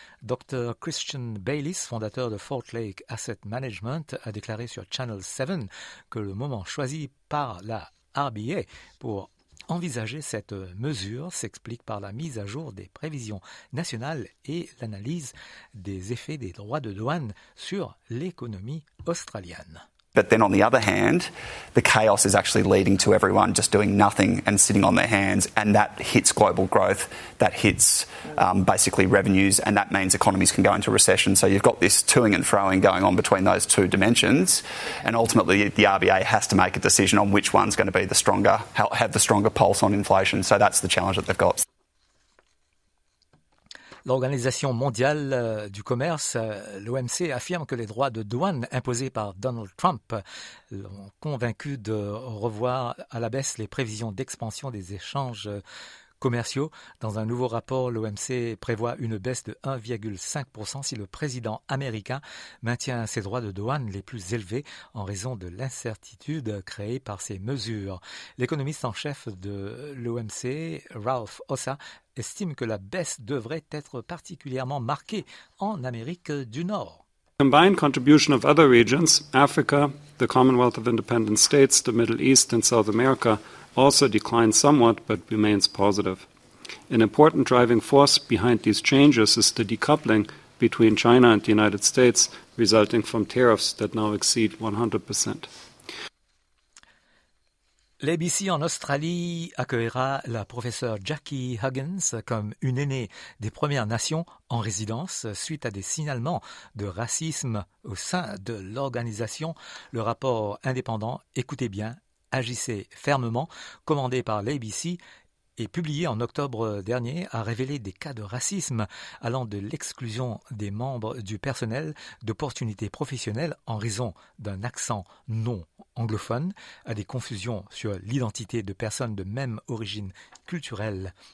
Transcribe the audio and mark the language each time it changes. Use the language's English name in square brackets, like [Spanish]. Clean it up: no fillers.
[French] Dr Christian Baylis, fondateur de Fort Lake Asset Management, a déclaré sur Channel 7 que le moment choisi par la RBA pour envisager cette mesure s'explique par la mise à jour des prévisions nationales et l'analyse des effets des droits de douane sur l'économie australienne. [English] But then on the other hand, the chaos is actually leading to everyone just doing nothing and sitting on their hands. And that hits global growth, that hits basically revenues, and that means economies can go into recession. So you've got this to-ing and fro-ing going on between those two dimensions. And ultimately, the RBA has to make a decision on which one's going to be the stronger, have the stronger pulse on inflation. So that's the challenge that they've got. [French] L'Organisation mondiale du commerce, l'OMC, affirme que les droits de douane imposés par Donald Trump l'ont convaincu de revoir à la baisse les prévisions d'expansion des échanges commerciaux. Dans un nouveau rapport, l'OMC prévoit une baisse de 1,5% si le président américain maintient ses droits de douane les plus élevés en raison de l'incertitude créée par ces mesures. L'économiste en chef de l'OMC, Ralph Ossa, estime que la baisse devrait être particulièrement marquée en Amérique du Nord. [English] Combined contribution of other regions, Africa, the Commonwealth of Independent States, the Middle East and South America, also declined somewhat but remains positive. An important driving force behind these changes is the decoupling between China and the United States, resulting from tariffs that now exceed 100%. [French] L'ABC en Australie accueillera la professeure Jackie Huggins comme une aînée des Premières Nations en résidence suite à des signalements de racisme au sein de l'organisation. Le rapport indépendant « Écoutez bien, agissez fermement » commandé par l'ABC et publié en octobre dernier a révélé des cas de racisme allant de l'exclusion des membres du personnel d'opportunités professionnelles en raison d'un accent non anglophone à des confusions sur l'identité de personnes de même origine culturelle.